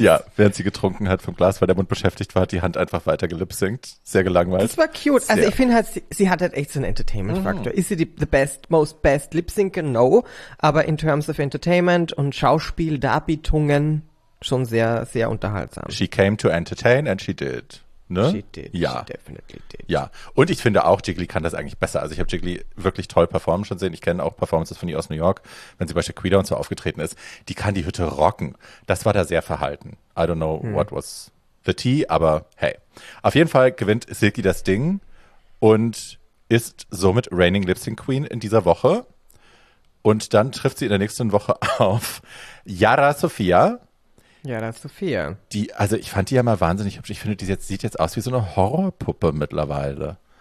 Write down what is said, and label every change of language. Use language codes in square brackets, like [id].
[de] Ja, während sie getrunken hat vom Glas, weil der Mund beschäftigt war, hat die Hand einfach weiter gelipsynkt. Sehr gelangweilt. Das war cute. Sehr. Also ich finde halt, sie hat halt echt so einen Entertainment-Faktor. Oh. Ist sie [en] the most best [de] Lip-Syncer? [en] No. [de] Aber [en] in terms of [de] Entertainment und Schauspiel, Darbietungen, schon sehr, sehr unterhaltsam. [en] She came to entertain and she did. [de] Ne? [en] She definitely did. [de] Ja, und ich finde auch, Jiggly kann das eigentlich besser. Also ich habe Jiggly wirklich toll performen schon sehen. Ich kenne auch Performances von ihr aus New York, wenn sie bei Shaquita und so aufgetreten ist. Die kann die Hütte rocken. Das war da sehr verhalten. [en] I don't know what was the tea, [de] aber hey. Auf jeden Fall gewinnt Silky das Ding und ist somit reigning Lip-Sync Queen in dieser Woche. Und dann trifft sie in der nächsten Woche auf Yara Sophia. Ja, das ist Sophia. Die, also ich fand die ja mal wahnsinnig hübsch. Ich finde, die sieht jetzt aus wie so eine Horrorpuppe mittlerweile.